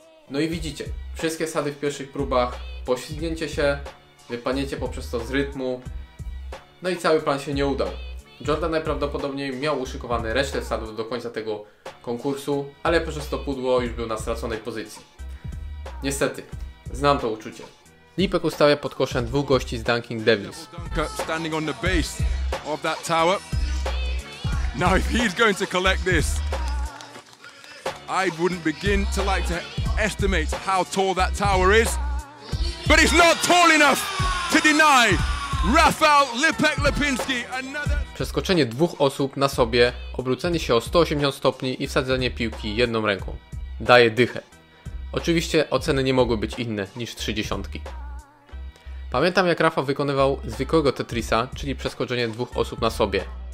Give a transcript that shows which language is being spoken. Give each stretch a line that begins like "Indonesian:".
Polish: No i widzicie, wszystkie sady w pierwszych próbach, poślizgnięcie się, wypadnięcie poprzez to z rytmu, no i cały plan się nie udał. Jordan najprawdopodobniej miał uszykowane resztę sadów do końca tego konkursu, ale poprzez to pudło już był na straconej pozycji. Niestety, znam to uczucie. Lipek ustawia pod koszem dwóch gości z Dunking Devils.
English: Standing on the base of that tower. Now if he's going to collect this, I wouldn't begin to like to estimate how tall that tower is. But it's not tall enough to deny Rafał Lipek Lipinski another.
Polish: Przeskoczenie dwóch osób na sobie, obrócenie się o 180 stopni i wsadzenie piłki jedną ręką. Daje dychę. Oczywiście oceny nie mogły być inne niż 30. Pamiętam, jak Rafał wykonywał zwykłego Tetrisa, czyli przeskoczenie dwóch osób na sobie.